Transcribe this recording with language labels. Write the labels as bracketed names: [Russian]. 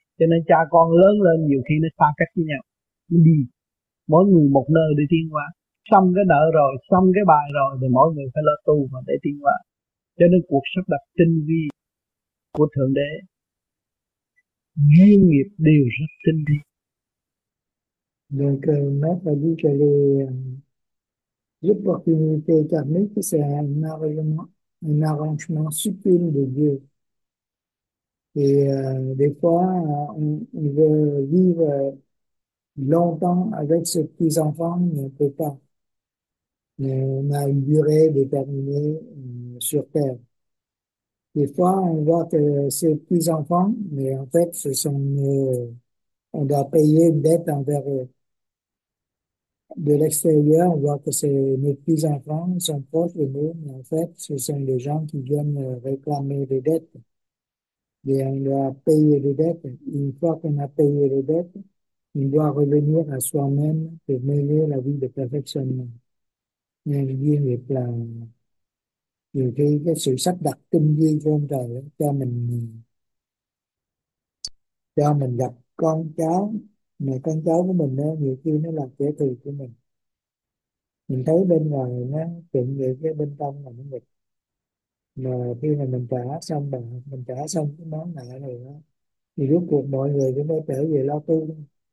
[Vietnamese] Cho nên cha con lớn lên nhiều khi nó xa cách với nhau, nó đi mỗi người một nơi để tiến hóa. Xong cái nợ rồi, xong cái bài rồi thì mọi người phải lo tu và để tiến hóa. Cho nên cuộc sắp đặt tinh vi của Thượng Đế, duyên nghiệp đều rất tinh vi. [French] Donc maître a dit que les un arrangement subtil de Dieu. Et des fois, on veut vivre longtemps avec ses petits-enfants, mais on ne peut pas. Mais on a une durée déterminée sur Terre. Des fois, on voit que ses petits-enfants, mais en fait, ce sont on doit payer une dette envers eux. De l'extérieur, on voit que c'est mes petits-enfants, ils sont proches de nous, mais en fait, ce sont des gens qui viennent réclamer des dettes. Et on doit payer les dettes. Une fois qu'on a payé les dettes, on doit revenir à soi-même pour mener la vie de perfectionnement. [Vietnamese] Nên duyên nghiệp là nhiều khi cái sự sắp đặt tinh vi của ông trời đó, cho mình gặp con cháu, mà con cháu của mình đó, nhiều khi nó là kẻ thù của mình. Mình thấy bên ngoài nó tưởng như cái bên trong là nó nghịch, mà khi mà mình trả xong bằng mình trả xong cái món nợ này đó, thì rốt cuộc mọi người cũng mới trở về lo tu.